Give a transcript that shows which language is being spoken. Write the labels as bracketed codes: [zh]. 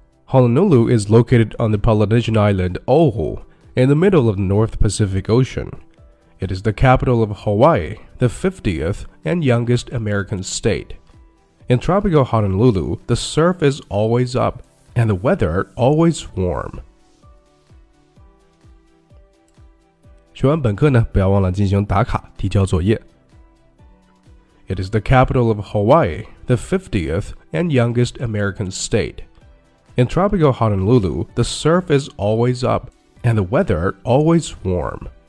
[en] Honolulu is located on the Polynesian island Oahu, in the middle of the North Pacific Ocean. It is the capital of Hawaii, the 50th and youngest American state. In tropical Honolulu, the surf is always up and the weather always warm. [zh] 学完本课呢，不要忘了进行打卡，提交作业。 [en] It is the capital of Hawaii, the 50th and youngest American state. In tropical Honolulu, the surf is always up, and the weather always warm.